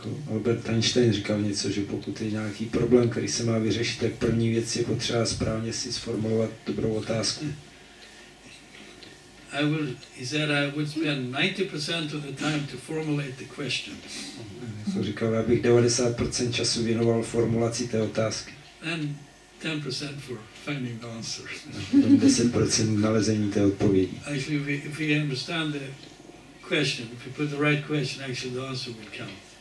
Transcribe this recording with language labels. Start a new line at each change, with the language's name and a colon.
Czech: Albert Einstein říkal něco, že pokud je nějaký problém, který se má vyřešit, tak první věc je potřeba správně si sformulovat dobrou otázku.
English: He said I would spend 90% of the time to formulate the question.
Czech: Říkal, já bych 90% času věnoval formulaci té otázky.
English: And 10% for finding the answer.
Czech: 10% nalezení té odpovědi.
English: Actually, if we understand the question, if we put the right question, actually the answer will come.